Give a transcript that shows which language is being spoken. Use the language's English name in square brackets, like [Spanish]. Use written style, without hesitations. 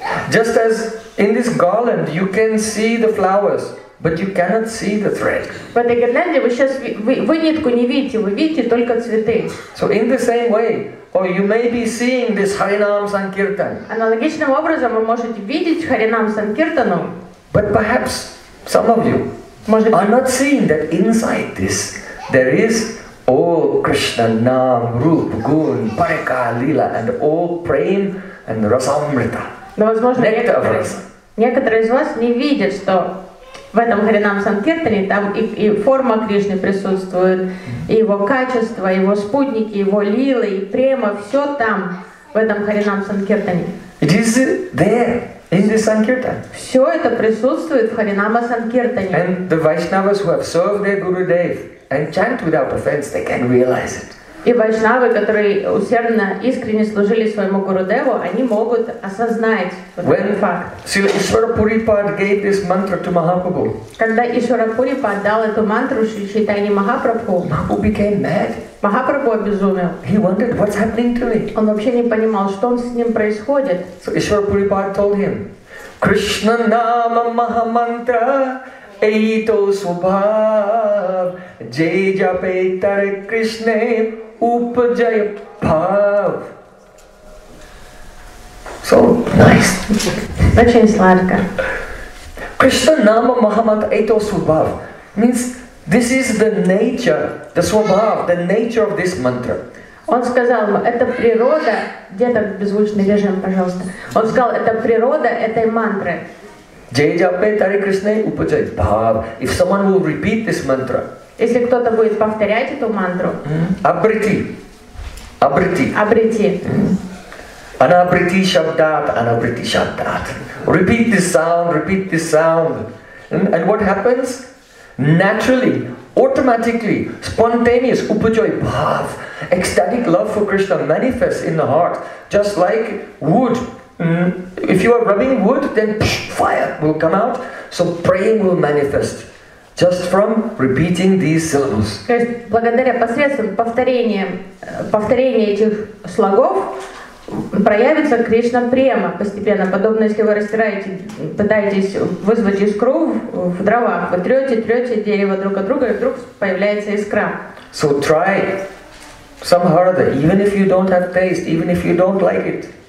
[English] Just as in this garland you can see the flowers, but you cannot see the thread. [Russian] В этой гирлянде вы сейчас вы нитку не видите, вы видите только цветы. [English] So in the same way, or you may be seeing this Харинам Санкиртан. [Russian] Аналогичным образом вы можете видеть Харинам Санкиртану. [English] But perhaps some of you [Russian] может, [English] are not seeing that inside this. There is all Krishna Naam, Rup, Gun, Parika, Lila, and all Prem and Rasamrita. [Russian] Но возможно, некоторые из вас не видят, что в этом Харинам Санкиртане там и форма Кришны присутствует, и его качества, его спутники, его лилы, и према, все там в этом Харинам Санкиртане. [English] It is there. In the Sankirtan. [Russian] Все это присутствует в Харинама Санкиртане. [English] And the Vaishnavas who have served their Gurudev and chant without offense, they can realize it. [Russian] И вайшнавы, которые усердно, искренне служили своему Гурудеву, они могут осознать этот факт. [English] When Ishvara Puripad gave this mantra to Mahaprabhu, [Russian] когда Ишвара Пурипад дал эту мантру Шри Чайтанья Махапрабху, [English] Mahaprabhu became mad. [Russian] Махапрабху обезумел. [English] He wondered what's happening to me. [Russian] Он вообще не понимал, что с ним происходит. [English] So Ishvara Puripad told him, Krishna Nama Mahamantra. [Bangla] Eito Subhav Jeja Petar Krishna Upajaya Bhav. [English] So nice. [Russian] Очень сладко. [Bangla] Krishna Nama Mahamantra Eito Subhav [English] means this is the nature, the Subhav, the nature of this mantra. [Russian] Он сказал ему, это природа, где-то беззвучный режим, пожалуйста. Он сказал, это природа этой мантры. [English] If someone will repeat this mantra, если кто-то будет повторять эту мантру, обрети, обрети, обрети, [Sanskrit] анабрети шабдат, анабрети шабдат. [English] Repeat this sound, and what happens? Naturally, automatically, spontaneous upajoy bhav, ecstatic love for Krishna manifests in the heart, just like wood. If you are rubbing wood, then fire will come out. So praying will manifest just from repeating these syllables. [Russian] То есть благодаря посредством повторения этих слогов проявится Кришна према постепенно. Подобно если вы растираете, пытаетесь вызвать искру в дровах, вы трете дерево друг от друга, и вдруг появляется искра. [English] So try some harder, even if you don't have taste, even if you don't like it.